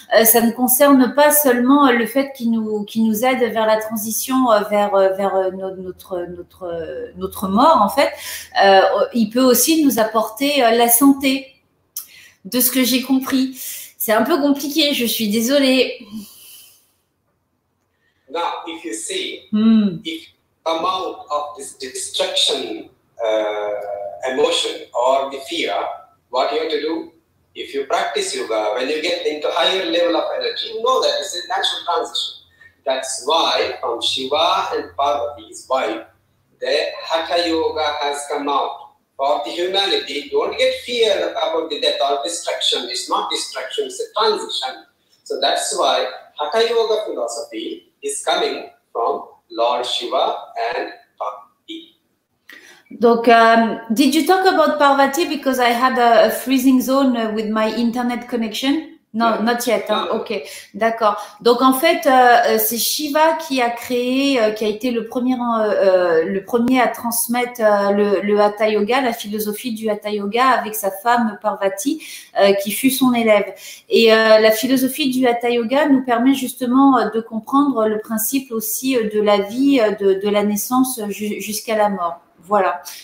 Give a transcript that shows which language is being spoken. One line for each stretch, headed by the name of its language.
French: Ça ne concerne pas seulement le fait qu'il nous aide vers la transition vers notre mort en fait. Il peut aussi nous apporter la santé. De ce que j'ai compris, c'est un peu compliqué. Je suis désolée.
English: Now, if you see, if amount of this destruction emotion or the fear, what you have to do? If you practice yoga, when you get into higher level of energy, you know that this is natural transition. That's why from Shiva and Parvati's wife, the Hatha Yoga has come out. For the humanity, don't get fear about the death or destruction. It's not destruction, it's a transition. So that's why Hatha Yoga philosophy is coming from Lord Shiva and Parvati. Donc, did you talk about Parvati because I had a freezing zone with my internet connection? Non, yeah. Not yet.
French: Hein? Ok, d'accord. Donc, en fait, c'est Shiva qui a créé, qui a été le premier à transmettre le Hatha Yoga, la philosophie du Hatha Yoga avec sa femme Parvati, qui fut son élève. Et la philosophie du Hatha Yoga nous permet justement de comprendre le principe aussi de la vie, de la naissance jusqu'à la mort. Voilà.